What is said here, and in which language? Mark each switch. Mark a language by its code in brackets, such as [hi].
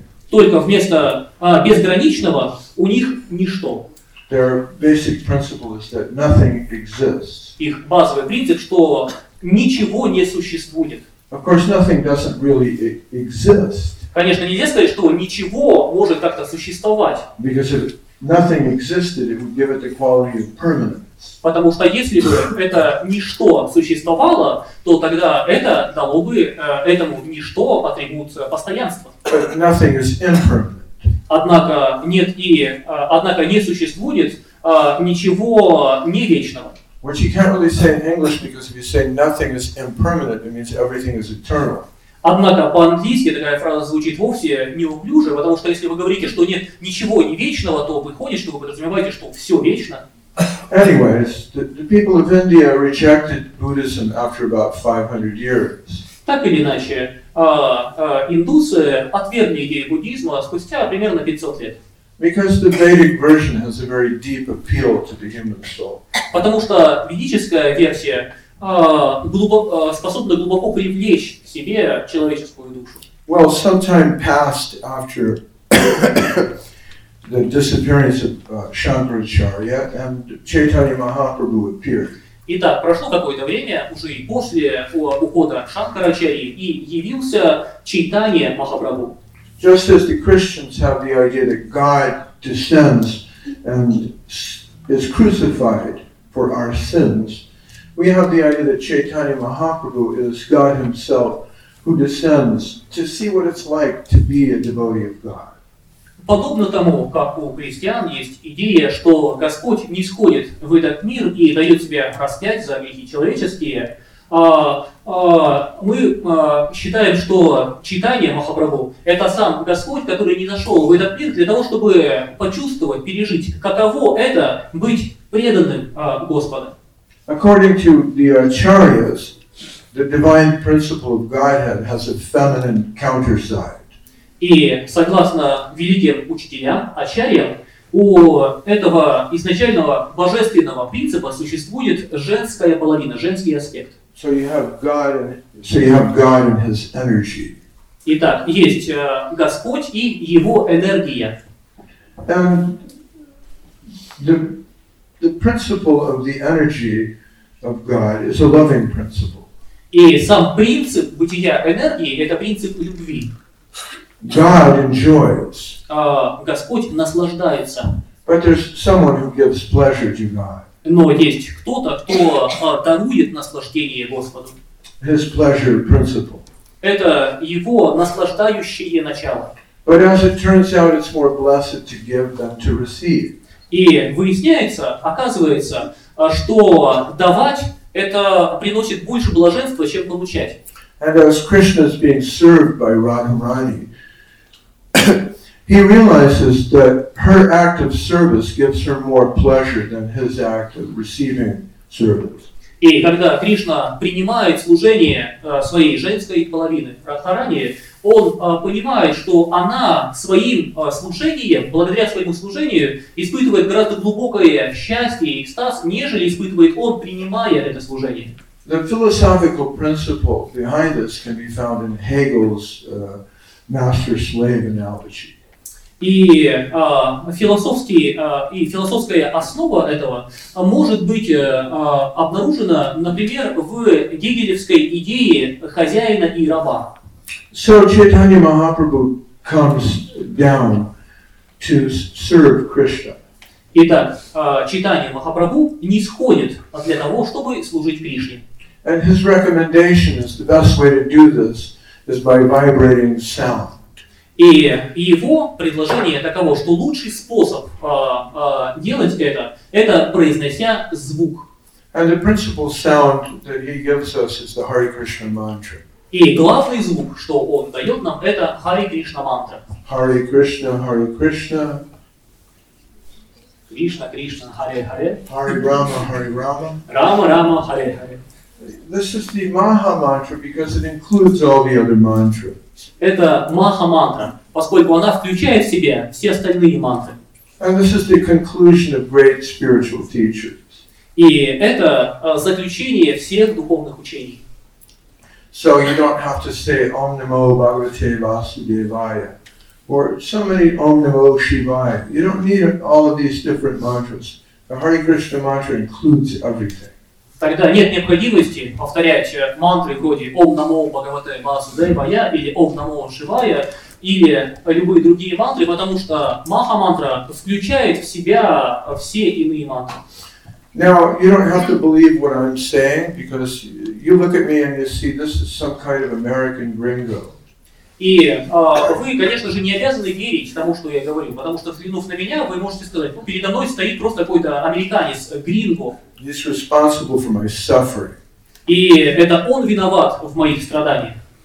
[ru] Только вместо безграничного у них ничто. [en] Their basic principle is that nothing exists. [ru] Их базовый принцип, что ничего не существует. [en] Of course, nothing doesn't really exist. [ru] Конечно, нельзя сказать, что ничего может как-то существовать. [en] Nothing existed, it would give it the quality of permanence. [ru] Потому что если бы это ничто существовало, то тогда это дало бы этому ничто атрибут постоянства. [en] Nothing is impermanent. [ru] Однако нет и однако не существует ничего не вечного. [en] Which you can't really say in English, because if you say nothing is impermanent, it means everything is eternal. [ru] Однако по-английски такая фраза звучит вовсе неуклюже, потому что если вы говорите, что нет ничего не вечного, то выходит, что вы подразумеваете, что все вечно. [en] Anyways, the people of India rejected Buddhism after about 500 years. [ru] Так или иначе, индусы отвергли идею буддизма спустя примерно 500 лет. [en] Because the Vedic version has a very deep appeal to the human soul. [ru] Потому что ведическая версия способны глубоко привлечь к себе человеческую душу. [en] Well, some time passed after the disappearance of Shankaracharya, and Chaitanya Mahaprabhu appeared. [ru] Итак, прошло какое-то время уже и после ухода Шанкарачарьи и явился Чайтанья Махапрабху. [en] Just as the Christians have the idea that God descends and is crucified for our sins. We have the idea that Chaitanya Mahaprabhu is God Himself who descends to see what it's like to be a devotee of God. [ru] Подобно тому, как у христиан есть идея, что Господь нисходит в этот мир и дает себя распять за грехи человеческие, мы считаем, что Чайтанья Махапрабху – это сам Господь, который не зашел в этот мир для того, чтобы почувствовать, пережить, каково это быть преданным Господу. [en] According to the Acharyas, the divine principle of Godhead has a feminine counterside. [ru] И согласно великим учителям, Ачарьям, у этого изначального божественного принципа существует женская половина, женский аспект. [en] So you have God and His energy. [ru] Итак, есть Господь и Его энергия. [en] And the principle of the energy of God is a loving principle. [ru] И сам принцип бытия энергии – это принцип любви. [en] God enjoys. [ru] Господь наслаждается. [en] But there's someone who gives pleasure to God. [ru] Но есть кто-то, кто дарует наслаждение Господу. [en] His pleasure principle. [ru] Это его наслаждающее начало. [en] But as it turns out, it's more blessed to give than to receive. [ru] И выясняется, оказывается, что давать это приносит больше блаженства, чем получать. [en] And as Krishna is being served by Radharani, he realizes that her act of service gives her more pleasure than his act of receiving service. [ru] И когда Кришна принимает служение своей женской половины Радхарани, он понимает, что она своим служением, благодаря своему служению, испытывает гораздо глубокое счастье и экстаз, нежели испытывает он, принимая это служение. [en] The philosophical principle behind this can be found in Hegel's master-slave analogy. [ru] И философская основа этого может быть обнаружена, например, в гегелевской идее хозяина и раба. [en] So Chaitanya Mahaprabhu comes down to serve Krishna. [ru] Итак, Чайтанья Махапрабху нисходит для того, чтобы служить Кришне. [en] And his recommendation is the best way to do this is by vibrating sound. [ru] И его предложение таково, что лучший способ делать это произнося звук. [en] And the principal sound that he gives us is the Hare Krishna mantra. [ru] И главный звук, что он дает нам, это Hare Krishna mantra. [sa] Hare Krishna, Hare Krishna. Krishna, Krishna, Hare Hare. Hare Rama, Hare Rama. Rama, Rama, Hare Hare. [en] This is the Maha mantra because it includes all the other mantras. [ru] Это Маха мантра, поскольку она включает в себя все остальные мантры. [en] And this is the conclusion of great spiritual teachers. [ru] И это заключение всех духовных учений. [en] So you don't have to say [sa] Om Namo Bhagavate Vasudevaya [en] or so many [sa] Om Namo Shivaya. [en] You don't need all of these different mantras. The Hare Krishna mantra includes everything. [ru] Тогда нет необходимости повторять мантры вроде [sa] Ом Намо Бхагавате Васудевая [ru] или [sa] Ом Намо Шивая [ru] или любые другие мантры, потому что Маха мантра включает в себя все иные мантры. [en] Now you don't have to believe what I'm saying because you look at me and you see this is some kind of American gringo. [ru] И вы, конечно же, не обязаны верить тому, что я говорю, потому что взглянув на меня, вы можете сказать, ну, передо мной стоит просто какой-то американец, гринго. [en] He's responsible for my suffering. [ru] И это он виноват в моих страданиях.